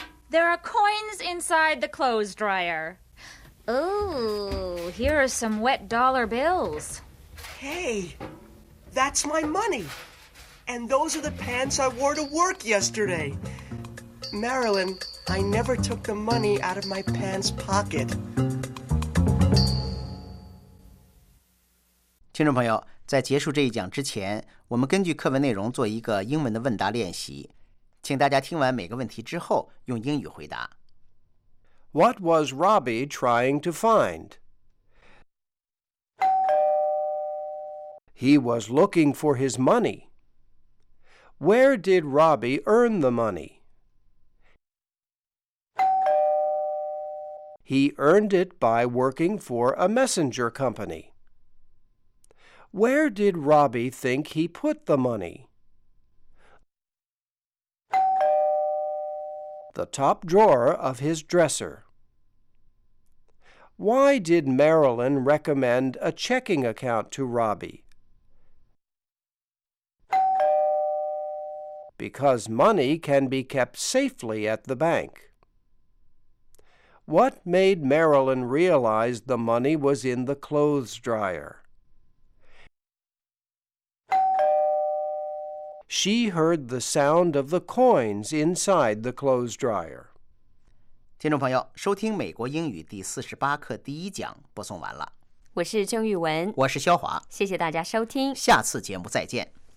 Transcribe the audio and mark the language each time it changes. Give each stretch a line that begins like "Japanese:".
English: There are coins inside the clothes dryer. Ooh, here are some wet dollar bills. Hey, that's my money. And those are the pants I wore to work yesterday. Marilyn, I never took the money out of my pants pocket.
Chinese: 听众朋友，在结束这一讲之前，我们根据课文内容做一个英文的问答练习，请大家听完每个问题之后用英语回答。
English: What was Robbie trying to find? He was looking for his money. Where did Robbie earn the money? He earned it by working for a messenger company. Where did Robbie think he put the money? The top drawer of his dresser. Why did Marilyn recommend a checking account to Robbie? Because money can be kept safely at the bank. What made Marilyn realize the money was in the clothes dryer? She heard the sound of the coins inside the clothes dryer.
Chinese: 听众朋友，收听美国英语第48课第一讲播送完了。我是郑玉文，我是肖华，谢谢大家收听，下次节目再见。